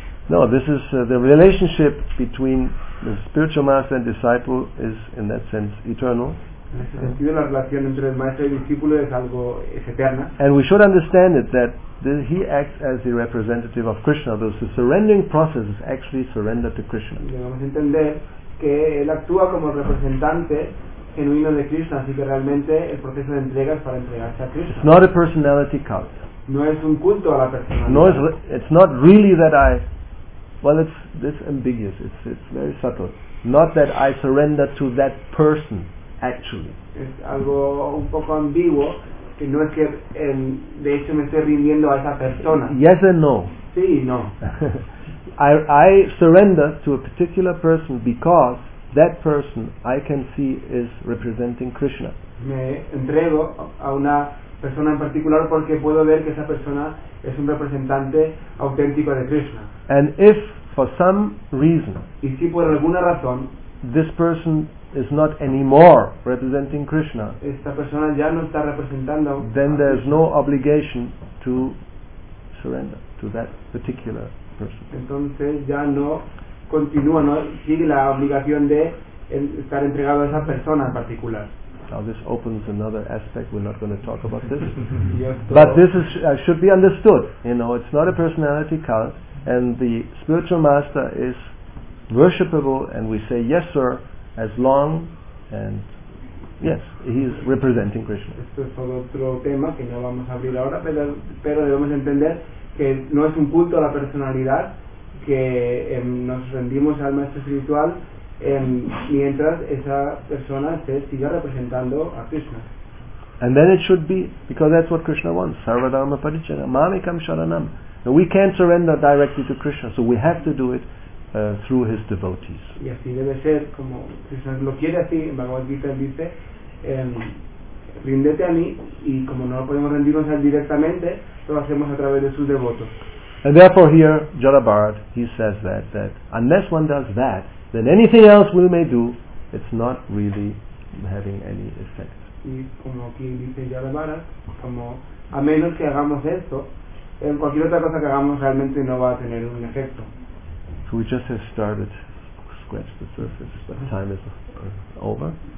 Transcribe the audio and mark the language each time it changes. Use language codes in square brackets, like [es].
[en] No, this is the relationship between the spiritual master and disciple is, in that sense, eternal. [es] En ese sentido, la relación entre el maestro y el discípulo es algo eterna. [en] And we should understand it that he acts as the representative of Krishna. Thus, the surrendering process is actually surrender to Krishna. [es] Debemos entender que él actúa como representante genuino de Krishna, así que realmente el proceso de entrega es para entregarse a Krishna. [en] It's not a personality cult. [es] No es un culto a la personalidad. [en] No, it's not really that I. Well, it's ambiguous. It's very subtle. Not that I surrender to that person, actually. [es] Es algo un poco ambiguo, que no es que de hecho me estoy rindiendo a esa persona. [en] Yes and no. [es] Sí y no. [en] I surrender to a particular person because that person I can see is representing Krishna. [es] Me entrego a una persona en particular porque puedo ver que esa persona es un representante auténtico de Krishna. [en] And if, for some reason, [es] y si por alguna razón, [en] this person is not anymore representing Krishna, [es] esta persona ya no está representando, [en] then there is no obligation to surrender to that particular person. [es] Entonces ya no continúa, no sigue la obligación de estar entregado a esa persona en particular. [en] Now this opens another aspect. We're not going to talk about this, but this is should be understood. You know, it's not a personality cult. And the spiritual master is worshipable, and we say yes, sir, as long and yes, he is representing Krishna. [es] Esto es otro tema que no vamos a abrir ahora, pero debemos entender que no es un culto a la personalidad, que nos rendimos al maestro espiritual mientras esa persona se siga representando a Krishna. [en] And then it should be, because that's what Krishna wants. [sa] Sarva dharma parichana, mamekam sharanam. [en] So we can't surrender directly to Krishna, so we have to do it through his devotees. [es] Y así debe ser, como Krishna lo quiere así, en Bhagavad Gita dice, ríndete a mí, y como no podemos rendirnos a él directamente, lo hacemos a través de sus devotos. [en] And therefore here, Jarabharat, he says that unless one does that, then anything else we may do, it's not really having any effect. [es] Y como aquí dice Jarabharat, como a menos que hagamos esto, en cualquier otra cosa que hagamos realmente no va a tener un efecto. [en] So we just have started to scratch the surface, but time is over.